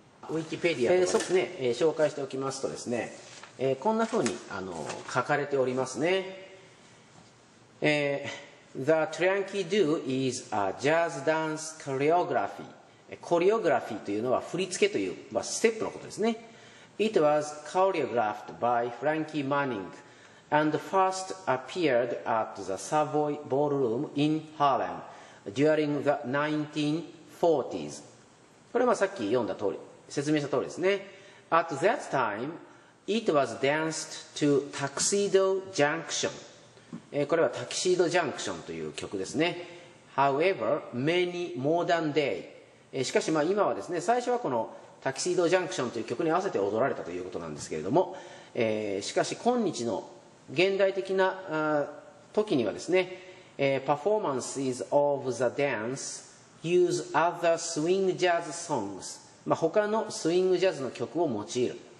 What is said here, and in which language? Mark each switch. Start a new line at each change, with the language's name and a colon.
Japanese: ウィキペディアとかですね、紹介しておきますとですね、こんな風に書かれておりますね、
English: The Trianchi Do is a jazz dance choreography。
Japanese: コリオグラフィーというのは振り付けという、まあ、ステップのことですね。
English: It was choreographed by Frankie Manning and first appeared at the Savoy Ballroom in Harlem during the 1940s。
Japanese: これはさっき読んだ通り、説明した通りですね。
English: At that time, it was danced to Tuxedo Junction。
Japanese: これはタキシードジャンクションという曲ですね。
English: However, many modern day、
Japanese: しかし、まあ今はですね、最初はこのタキシードジャンクションという曲に合わせて踊られたということなんですけれども、しかし今日の現代的な時にはですね、
English: Performances of the dance use other swing jazz songs、
Japanese: まあ、他のスイングジャズの曲を用いる。